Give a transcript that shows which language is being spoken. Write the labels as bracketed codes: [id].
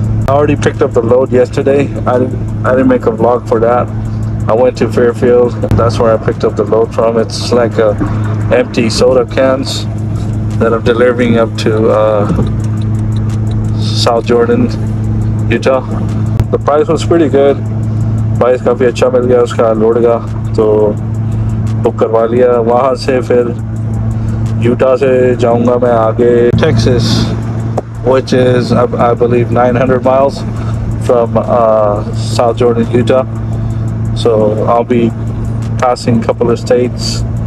[en] I already picked up the load yesterday. I didn't make a vlog for that. I went to Fairfield, and that's where I picked up the load from. It's like a empty soda cans that I'm delivering up to South Jordan, Utah. The price was pretty good. [hi] Price काफी अच्छा मिल गया उसका load का, तो book करवा लिया. वहाँ से फिर यूटा से जाऊँगा मैं आगे Texas, [en] which is I believe 900 miles from South Jordan, Utah. So I'll be passing a couple of states.